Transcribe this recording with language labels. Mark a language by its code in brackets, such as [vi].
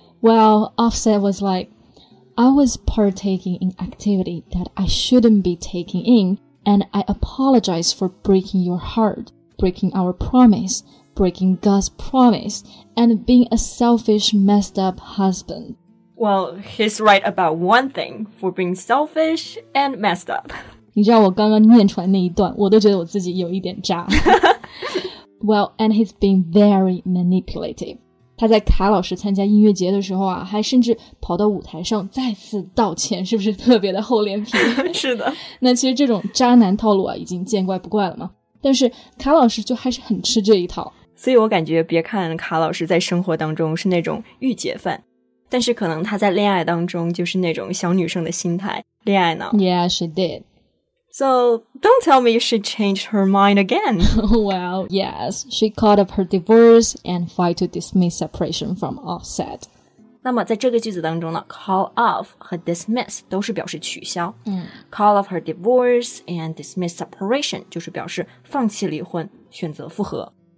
[en] Well, Offset was like,I was partaking in activity that I shouldn't be taking in, and I apologize for breaking your heart, breaking our promise, breaking God's promise, and being a selfish, messed up husband. Well, he's right about one thing, for being selfish and messed up. [zh] 你知道我刚刚念出来那一段，我都觉得我自己有一点渣。 [en] Well, and he's been very manipulative. [zh] 他在卡老师参加音乐节的时候啊，还甚至跑到舞台上再次道歉，是不是特别的厚脸皮？是的。那其实这种渣男套路啊，已经见怪不怪了嘛。但是卡老师就还是很吃这一套。所以我感觉，别看卡老师在生活当中是那种御姐范，但是可能他在恋爱当中就是那种小女生的心态，恋爱脑。 [en] Yeah, she did. So don't tell me she changed her mind again. Well, yes, she called off her divorce and filed to dismiss separation from Offset. [zh] 那么在这个句子当中呢 call off 和 dismiss 都是表示取消。 [en] Call off her divorce and dismiss separation [zh] 就是表示放弃离婚，选择复合。